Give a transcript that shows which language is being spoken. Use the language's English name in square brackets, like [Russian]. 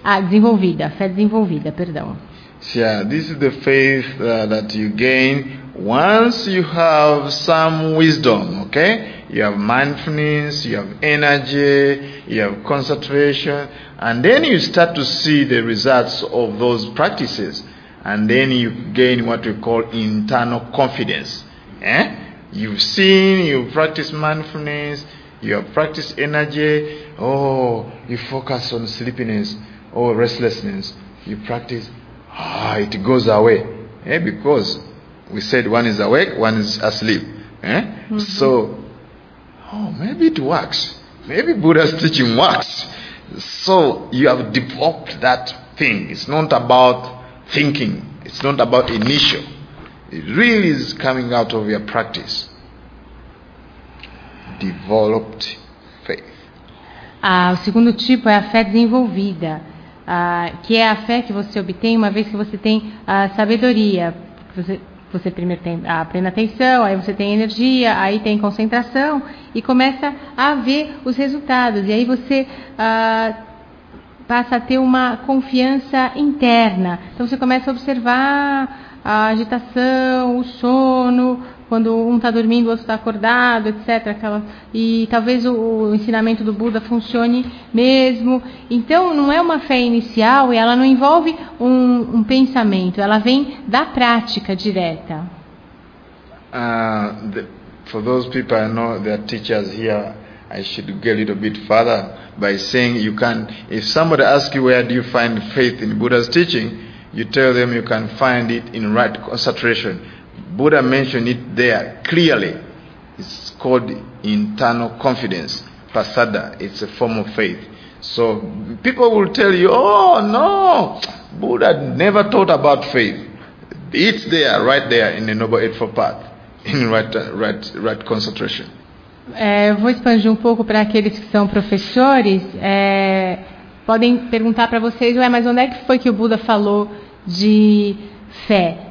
[Portuguese] Ah, desenvolvida, fé desenvolvida, perdão. [English] Yeah, this is the faith that you gain once you have some wisdom, okay? You have mindfulness, you have energy, you have concentration, and then you start to see the results of those practices, and then you gain what we call internal confidence. Eh? You've seen, you've practiced mindfulness, you have practiced energy, oh, you focus on sleepiness or restlessness, you practice, it goes away. Eh? Because we said one is awake, one is asleep. Eh? Mm-hmm. So, maybe it works. Maybe Buddha's teaching works. So, you have developed that thing. It's not about thinking. It's not about initial. It really is coming out of your practice. Developed faith. [Portuguese] O segundo tipo é a fé desenvolvida, que é a fé que você obtém uma vez que você tem a sabedoria. Você primeiro tem a plena atenção, aí você tem energia, aí tem concentração e começa a ver os resultados. E aí você passa a ter uma confiança interna. Então você começa a observar a agitação, o sono, quando um está dormindo, o outro está acordado, etc. E talvez o ensinamento do Buda funcione mesmo. Então, não é uma fé inicial e ela não envolve um pensamento. Ela vem da prática direta. [English] For those people, I know there are teachers here. I should go a little bit further by saying you can. If somebody asks you where do you find faith in Buddha's teaching, you tell them you can find it in right concentration. Buddha mentioned it there clearly. It's called internal confidence, prasada. It's a form of faith. So people will tell you, oh no, Buddha never taught about faith. It's there, right there in the Noble Eightfold Path, in right concentration. [Portuguese] Vou expandir um pouco para aqueles que são professores. Podem perguntar para vocês, ué, mas onde é que foi que o Buda falou de fé?